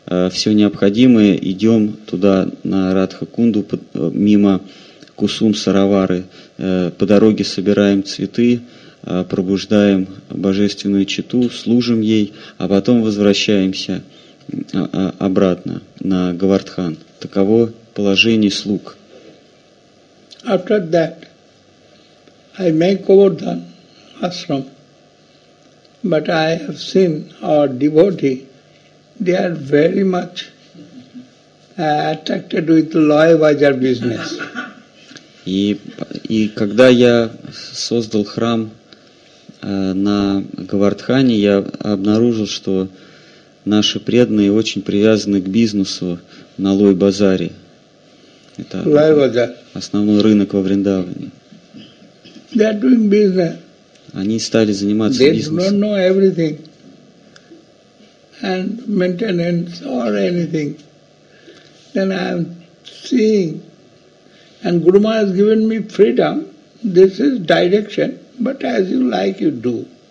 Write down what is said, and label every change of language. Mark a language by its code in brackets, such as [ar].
[ru] Все необходимое, идем туда, на Радха Кунду, мимо Кусум Саравары, по дороге собираем цветы, пробуждаем божественную читу, служим ей, а потом возвращаемся обратно на Говардхан. Таково положение слуг. [en] After that, I make Govardhan ashram, but I have seen our devotee, they are very much attracted with loy bazar business. [ru] И когда я создал храм на Говардхане, я обнаружил, что наши преданные очень привязаны к бизнесу на лой-базаре. Это основной рынок во Вриндаване. [en] They're doing business. [ru] Они стали заниматься [en] they [ru] бизнесом. [en] They don't know everything and maintenance or anything. Then I'm seeing and Guru Maharaj has given me freedom. This is direction, but as you like, you do.